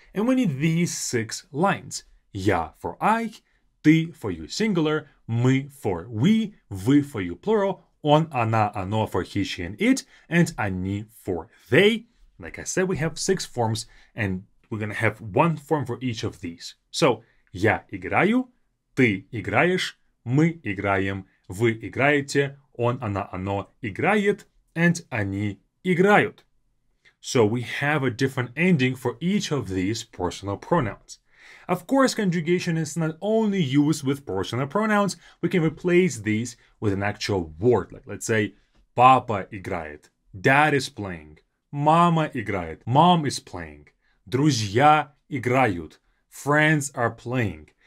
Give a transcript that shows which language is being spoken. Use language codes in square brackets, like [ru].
[en] And we need these six lines. Я for I, ты for you singular, мы for we for you plural, [ru] он, она, оно [en] for he, she, and it, and они for they. Like I said, we have six forms, and we're going to have one form for each of these. [ru] So, я играю, ты играешь, мы играем, вы играете, он, она, оно играет, and они играют. [en] So, we have a different ending for each of these personal pronouns. Of course, conjugation is not only used with personal pronouns. We can replace these with an actual word. Like, let's say, [ru] папа играет, [en] dad is playing, [ru] мама играет, [en] mom is playing, [ru] друзья играют, [en] friends are playing.